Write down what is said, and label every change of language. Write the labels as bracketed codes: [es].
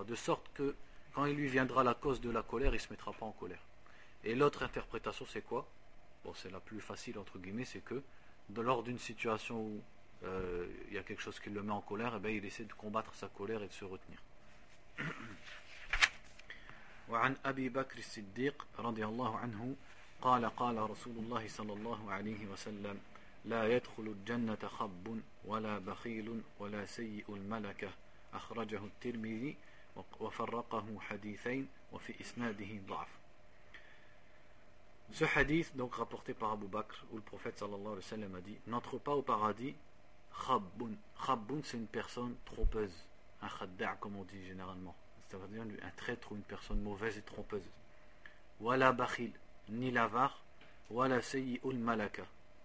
[fr] De sorte que, quand il lui viendra la cause de la colère, il ne se mettra pas en colère. Et l'autre interprétation, c'est quoi? Bon, c'est la plus facile, entre guillemets, c'est que lors d'une situation où il y a quelque chose qui le met en colère, eh bien, il essaie de combattre sa colère et de se retenir. [ar] وعن أبي بكر الصديق رضي الله عنه قال قال رسول الله صلى الله عليه وسلم لا يدخل الجنة خب ولا بخيل ولا سيء الملكة أخرجه الترمذي وفرقه حديثين وفي إسناده ضعف. [fr] Ce hadith, donc rapporté par Abu Bakr, où le prophète sallallahu alayhi wa sallam a dit « N'entre pas au paradis, khabboun ». Khabboun, c'est une personne trompeuse, un khadda', comme on dit généralement. C'est-à-dire un traître ou une personne mauvaise et trompeuse. « [ar] Wala bakhil [fr] », ni l'avare, « [ar] wala sayyi'ul malaka ».